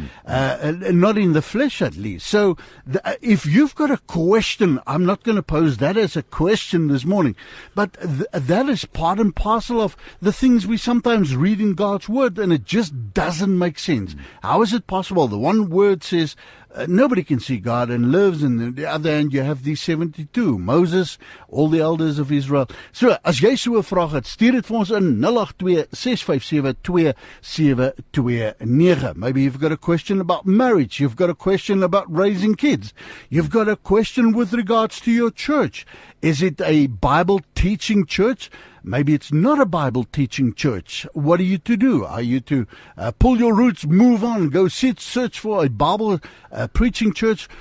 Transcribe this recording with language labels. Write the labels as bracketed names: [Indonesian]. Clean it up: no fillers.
[English] Not in the flesh, at least. So if you've got a question, I'm not going to pose that as a question this morning, but that is part and parcel of the things we sometimes read in God's Word, and it just doesn't make sense. How is it possible? The one word says nobody can see God and lives, and the other hand, you have these 72, Moses, all the elders of Israel. [Afrikaans] So, as jy so 'n vraag het, stuur dit vir ons in 082-657-2729. [English] Maybe you've got a question about marriage. You've got a question about raising kids. You've got a question with regards to your church. Is it a Bible-teaching church? Maybe it's not a Bible-teaching church. What are you to do? Are you to pull your roots, move on, go search for a Bible-preaching church?